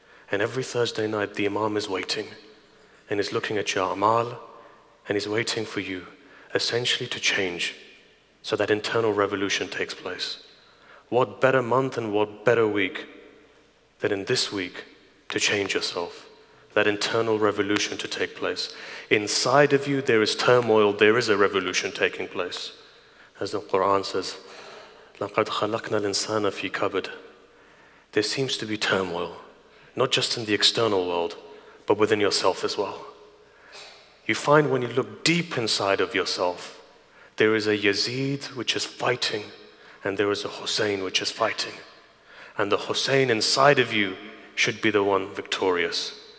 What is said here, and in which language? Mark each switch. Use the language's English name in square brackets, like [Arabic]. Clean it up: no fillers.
[English] And every Thursday night, the Imam is waiting and is looking at your amal, and he's waiting for you essentially to change so that internal revolution takes place. What better month and what better week than in this week to change yourself, that internal revolution to take place. Inside of you, there is turmoil, there is a revolution taking place. As the Quran says, [Arabic] لَقَدْ خَلَقْنَا الْإِنسَانَ فِي كَبَدٍ. [English] There seems to be turmoil, not just in the external world, but within yourself as well. You find when you look deep inside of yourself, there is a Yazid which is fighting, and there is a Hussein which is fighting. And the Hussein inside of you should be the one victorious.